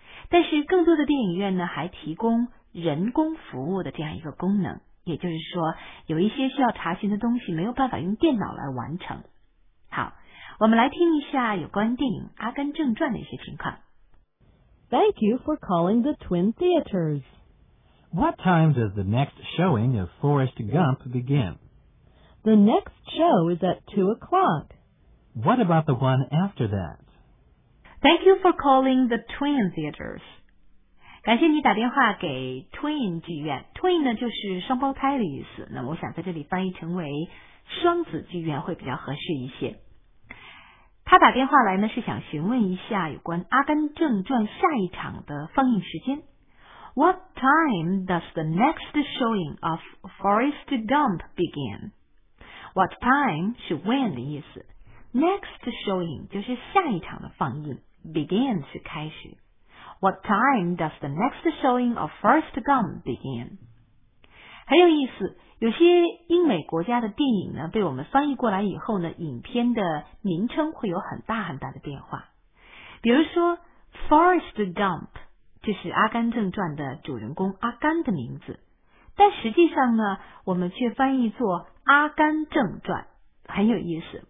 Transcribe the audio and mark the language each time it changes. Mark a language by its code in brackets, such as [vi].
[zh] 但是更多的电影院呢，还提供人工服务的这样一个功能，也就是说，有一些需要查询的东西没有办法用电脑来完成。好，我们来听一下有关电影《阿甘正传》的一些情况。 [en] Thank you for calling the Twin Theaters. What time does the next showing of Forrest Gump begin? The next show is at 2 o'clock. What about the one after that? Thank you for calling the Twin Theaters. [zh] 感谢你打电话给 Twin 剧院。 Twin 呢就是双胞胎的意思，那我想在这里翻译成为双子剧院会比较合适一些。他打电话来呢，是想询问一下有关《阿甘正传》下一场的放映时间。 [en] What time does the next showing of Forrest Gump begin? What time [zh] 是 when 的意思。 [en] Next showing [zh] 就是下一场的放映， begin 是开始。 [en] What time does the next showing of Forrest Gump begin? [zh] 很有意思。有些英美国家的电影呢，被我们翻译过来以后呢，影片的名称会有很大很大的变化。比如说 Forrest Gump 就是阿甘正传的主人公阿甘的名字，但实际上呢，我们却翻译作阿甘正传，很有意思。